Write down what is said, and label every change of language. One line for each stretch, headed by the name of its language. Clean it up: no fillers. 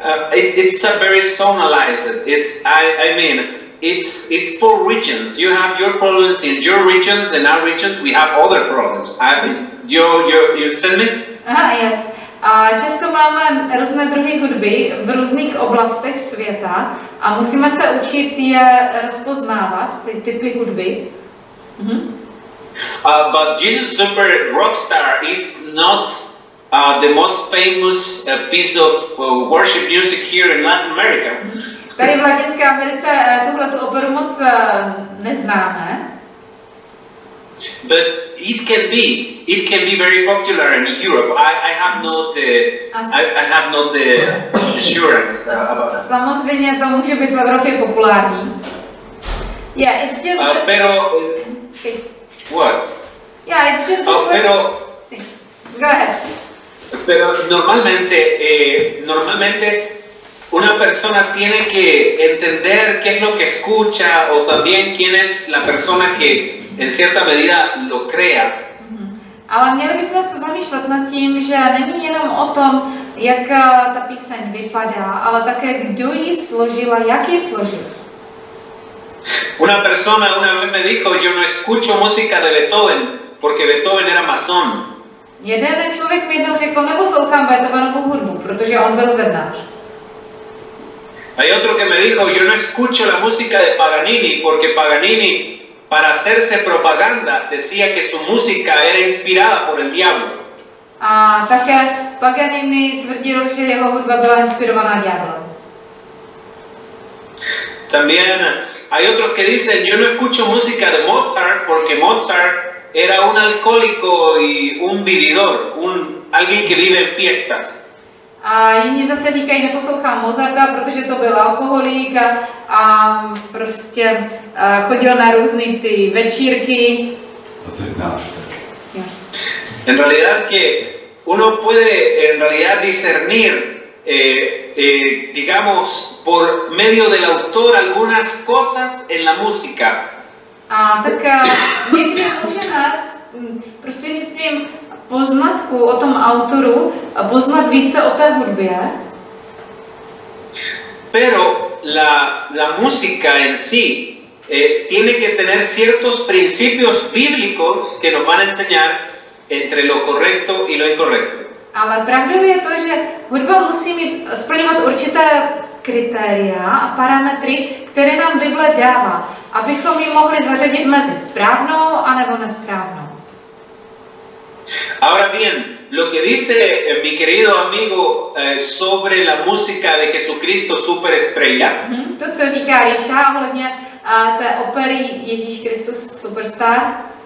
English: It's a very sonalized. It's for regions. You have your problems in your regions, and our regions we have other problems. I mean, you understand me? Yes.
Czech: Česko máme různé druhy hudby v různých oblastech světa a musíme se učit je rozpoznávat, ty typy hudby. Mm-hmm.
English: But Jesus Super Rockstar is not the most famous piece of worship music here in Latin America.
Czech: Tady v Latinské Americe tuhle tu operu moc neznáme.
English: But it can be very popular in Europe. I have not the assurance about that.
Czech: Samozřejmě to může být v Evropě populární.
English: Yeah, it's just
Spanish: pero
English: what? Yeah, it's just a
Spanish: pero, sí.
English: Go ahead.
Spanish: Pero normalmente, normalmente una persona tiene que entender qué es lo que escucha o también quién es la persona que en cierta medida lo crea.
Czech: Ale měli bychom se zamýšlet nad tím, že není jenom o tom, jak ta píseň vypadá, ale také kdo ji složil a jak ji složil.
Spanish: Una persona una vez me dijo, yo no escucho música de Beethoven porque Beethoven era masón.
Czech: Jeden člověk mi jednou řekl, neposlouchám Beethovenovu hudbu, protože on byl zednář.
Spanish: Hay otro que me dijo, yo no escucho la música de Paganini porque Paganini para hacerse propaganda decía que su música era inspirada por el diablo.
Czech: A také Paganini tvrdil, že jeho hudba byla inspirovaná ďáblem.
Spanish: También hay otros que dicen yo no escucho música de Mozart porque Mozart era un alcohólico y un vividor, alguien que vive en fiestas.
Czech: A jiní zase říkají neposlouchám Mozarta, protože to byl alkoholik a prostě chodil na různé ty večírky. Zednář.
Spanish: En realidad que uno puede en realidad discernir, digamos, por medio del autor algunas cosas en la música.
Czech: A tak někdy můžeme s prostřednictvím poznatku o tom autoru poznat více o té hudbě.
Spanish: Pero la música en sí tiene que tener ciertos principios bíblicos que nos van a enseñar entre lo correcto y lo incorrecto.
Czech: Ale pravdou je to, že hudba musí mít splňovat určité kritéria a parametry, které nám Bible dává, abychom ji mohli zařadit mezi správnou a nebo nesprávnou.
Spanish: Ahora bien, lo que dice mi querido amigo sobre la música de Jesucristo Superestrella.
Czech: To, co říká Ríša ohledně té opery Ježíš Kristus Superstar.